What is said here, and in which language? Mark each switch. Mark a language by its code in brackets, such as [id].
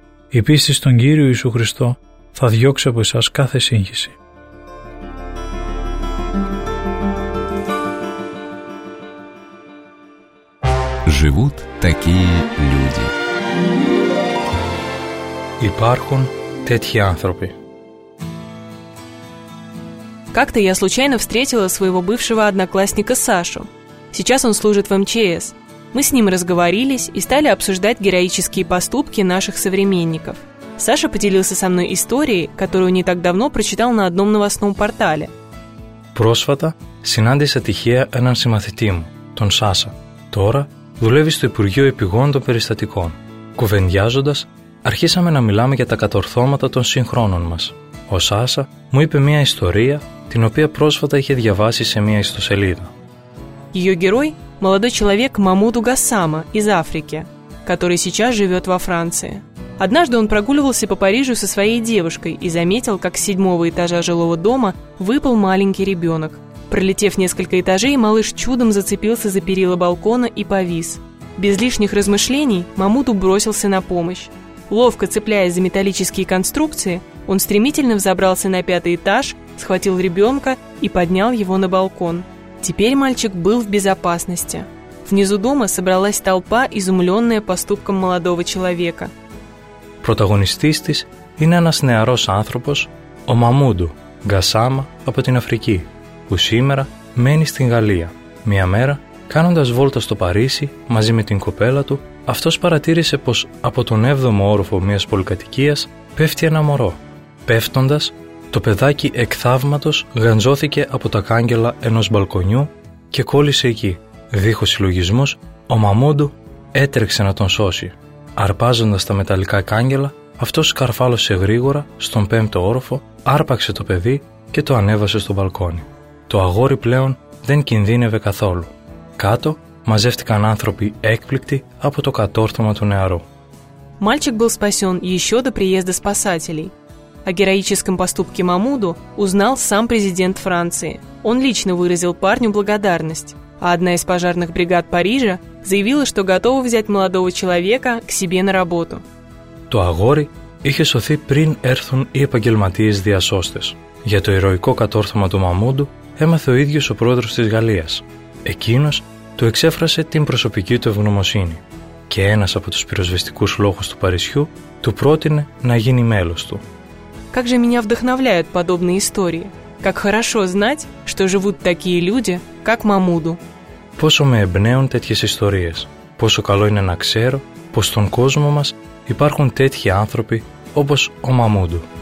[el] Η πίστη στον Κύριο Ιησού Χριστό θα διώξει από εσάς κάθε σύγχυση». [ru] Живут такие люди. [el] Υπάρχουν τέτοιοι άνθρωποι. [ru] Как-то я случайно встретила своего бывшего одноклассника Сашу. Сейчас он служит в МЧС. Мы с ним разговорились и стали обсуждать героические поступки наших современников. Саша поделился со мной историей, которую не так давно прочитал на одном новостном портале. [el] Πρόσφατα συνάντησα τυχαία έναν συμμαθητή μου, τον Σάσα. Τώρα δουλεύει στο Υπουργείο Επιγόντων των Περιστατικών. Κουβεντιάζοντας, αρχίσαμε να μιλάμε για τα κατορθώματα των συγχρόνων μας. Ο Σάσα μου είπε μια ιστορία, την οποία πρόσφατα είχε διαβάσει σε μια ιστοσελίδα. [ru] Ее герой – молодой человек Мамуду Гассама из Африки, который сейчас живет во Франции. Однажды он прогуливался по Парижу со своей девушкой и заметил, как с седьмого этажа жилого дома выпал маленький ребенок. Пролетев несколько этажей, малыш чудом зацепился за перила балкона и повис. Без лишних размышлений Мамуду бросился на помощь. Ловко цепляясь за металлические конструкции, он стремительно взобрался на пятый этаж, схватил ребенка и поднял его на балкон. Теперь мальчик был в безопасности. Внизу дома собралась толпа, изумленная поступком молодого человека. [el] Протагонистής της είναι ένας νεαρός άνθρωπος, ο Мамуду Гассама, από την Αφρική. που σήμερα μένει στην Γαλλία. Μια μέρα, κάνοντας βόλτα στο Παρίσι μαζί με την κοπέλα του, αυτός παρατήρησε πως από τον 7ο όροφο μιας πολυκατοικίας πέφτει ένα μωρό. Πέφτοντας, το παιδάκι εκ θαύματος γαντζώθηκε από τα κάγκελα ενός μπαλκονιού και κόλλησε εκεί. Δίχως συλλογισμός, ο Μαμούντου έτρεξε να τον σώσει. Αρπάζοντας τα μεταλλικά κάγκελα, αυτός σκαρφάλωσε γρήγορα στον 5ο όροφο, άρπαξε το παιδί και το ανέβασε στο μπαλκόνι. Το αγόρι πλέον δεν κινδύνευε καθόλου. Κάτω μαζεύτηκαν άνθρωποι έκπληκτοι από το κατόρθωμα του νεαρού. [ru] Мальчик был спасен еще до приезда спасателей. О героическом поступке Мамуду узнал сам президент Франции. Он лично выразил парню благодарность. А одна из пожарных бригад Парижа заявила, что готова взять молодого человека к себе на работу. [el] Το αγόρι είχε σωθεί πριν έρθουν οι επαγγελματίες διασώστες. Για το ηρωικό κατόρθωμα του Μαμούντου έμαθε ο ίδιος ο πρόεδρος της Γαλλίας. Εκείνος του εξέφρασε την προσωπική του ευγνωμοσύνη. Και ένας από τους πυροσβεστικούς λόγους του Παρισιού του πρότεινε να γίνει μέλος του. [ru] Как же меня вдохновляют подобные истории. Как хорошо знать, что живут такие люди, как Мамуду. [el] Πόσο με εμπνέουν τέτοιες ιστορίες. Πόσο καλό είναι να ξέρω πως στον κόσμο μας υπάρχουν τέτοιοι άνθρωποι όπως ο Μαμούντου.